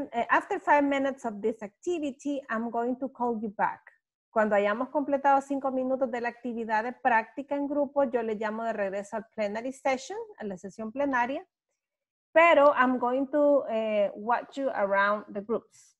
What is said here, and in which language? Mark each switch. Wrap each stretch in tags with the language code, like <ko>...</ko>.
<en>After 5 minutes of this activity, I'm going to call you back.</en> <es>Cuando hayamos completado 5 minutos de la actividad de práctica en grupo, yo le llamo de regreso al plenary session, a la sesión plenaria.</es> <en>Pero I'm going to watch you around the groups.</en>